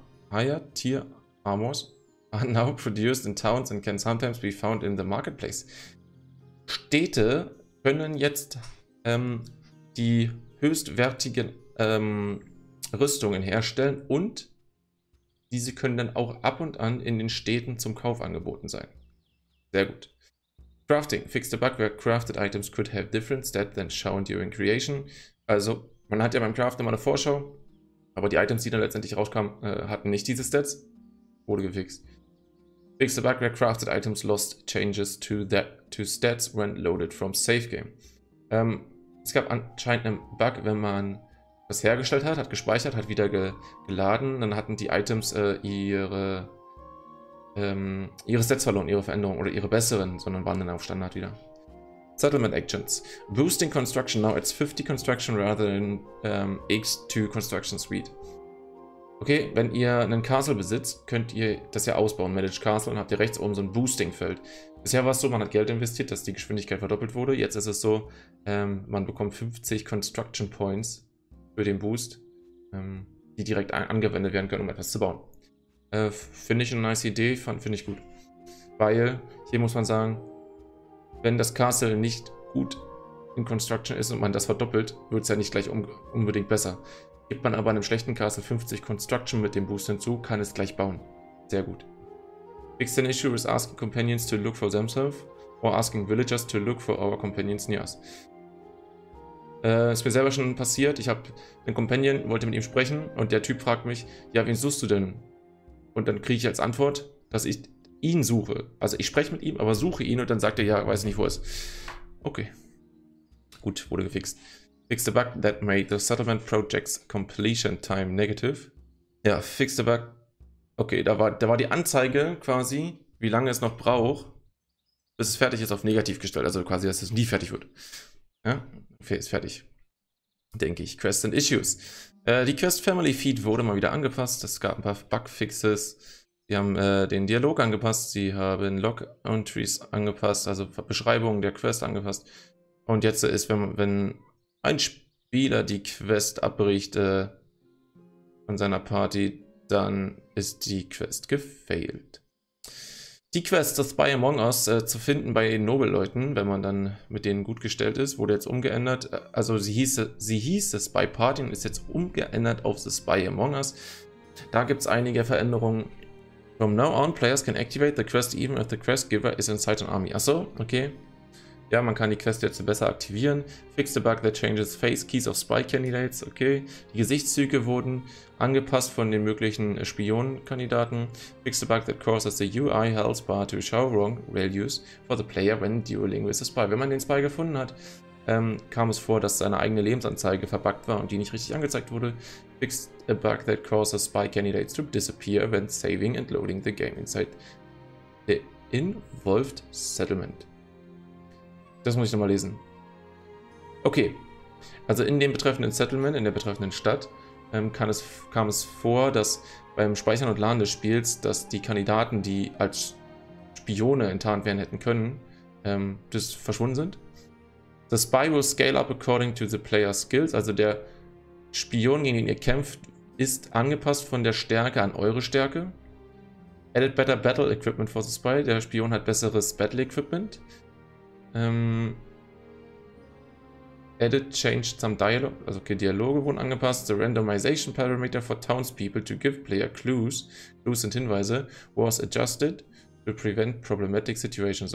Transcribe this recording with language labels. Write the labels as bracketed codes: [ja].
[en] Higher Tier Armors are now produced in towns and can sometimes be found in the marketplace. [de] Städte können jetzt die höchstwertigen Rüstungen herstellen und diese können dann auch ab und an in den Städten zum Kauf angeboten sein. Sehr gut. Crafting. [en] Fixed a bug where crafted items could have different stats than shown during creation. [de] Also, man hat ja beim Craften mal eine Vorschau, aber die Items, die dann letztendlich rauskamen, hatten nicht diese Stats. Wurde gefixt. [en] Fixed a bug where crafted items lost changes to stats when loaded from save game. [de] Es gab anscheinend einen Bug, wenn man das hergestellt hat, hat gespeichert, hat wieder geladen, dann hatten die Items ihre Stats verloren, ihre Veränderungen oder ihre besseren, sondern waren dann auf Standard wieder. [en] Settlement Actions. Boosting Construction now at 50 Construction rather than X2 Construction Suite. [de] Okay, wenn ihr einen Castle besitzt, könnt ihr das ja ausbauen. Manage Castle und habt ihr rechts oben so ein Boosting-Feld. Bisher war es so, man hat Geld investiert, dass die Geschwindigkeit verdoppelt wurde. Jetzt ist es so, man bekommt 50 Construction Points für den Boost, die direkt angewendet werden können, um etwas zu bauen. Finde ich eine nice Idee, finde ich gut. Weil, hier muss man sagen, wenn das Castle nicht gut in Construction ist und man das verdoppelt, wird es ja nicht gleich unbedingt besser. Gibt man aber einem schlechten Castle 50 Construction mit dem Boost hinzu, kann es gleich bauen. Sehr gut. [en] Fix an issue with asking companions to look for themselves or asking villagers to look for our companions near us. [de] Ist mir selber schon passiert, ich habe einen Companion, wollte mit ihm sprechen und der Typ fragt mich, ja, wen suchst du denn? Und dann kriege ich als Antwort, dass ich ihn suche. Also ich spreche mit ihm, aber suche ihn und dann sagt er, ja, weiß nicht, wo er ist. Okay. Gut, wurde gefixt. [en] Fix the bug that made the settlement project's completion time negative. Ja, fix the bug. [de] Okay, da war die Anzeige quasi, wie lange es noch braucht, bis es fertig ist, auf negativ gestellt. Also quasi, dass es nie fertig wird. Ja, okay, ist fertig. Denke ich. [en] Quests and Issues. [de] Die Quest Family Feed wurde mal wieder angepasst. Es gab ein paar Bugfixes. Sie haben den Dialog angepasst. Sie haben Log Entries angepasst. Also Beschreibungen der Quest angepasst. Und jetzt ist, wenn ein Spieler die Quest abbricht von seiner Party, dann ist die Quest gefailed. Die Quest, das Spy Among Us, zu finden bei den Nobelleuten, wenn man dann mit denen gut gestellt ist, wurde jetzt umgeändert. Also sie hieß das Spy Party und ist jetzt umgeändert auf The Spy Among Us. Da gibt es einige Veränderungen. [en] From now on, players can activate the quest even if the quest giver is inside an army. [de] Achso, okay. Ja, man kann die Quest jetzt besser aktivieren. [en] Fix the bug that changes face keys of spy candidates. Okay. [de] Die Gesichtszüge wurden angepasst von den möglichen Spionenkandidaten. [en] Fix the bug that causes the UI health bar to show wrong values for the player when dueling with the spy. [de] Wenn man den Spy gefunden hat, kam es vor, dass seine eigene Lebensanzeige verbuggt war und die nicht richtig angezeigt wurde. [en] Fix a bug that causes spy candidates to disappear when saving and loading the game inside the involved settlement. [de] Das muss ich nochmal lesen. Okay, also in dem betreffenden Settlement, in der betreffenden Stadt, kam es vor, dass beim Speichern und Laden des Spiels, dass die Kandidaten, die als Spione enttarnt werden hätten können, das verschwunden sind. [en] The Spy will scale up according to the player's skills. [de] Also der Spion, gegen den ihr kämpft, ist angepasst von der Stärke an eure Stärke. [en] Added better battle equipment for the Spy. [de] Der Spion hat besseres Battle Equipment. [en] Edit changed some dialogue, [de] also okay, Dialoge wurden angepasst. [en] The randomization parameter for townspeople to give player clues [de] und Hinweise [en] was adjusted to prevent problematic situations.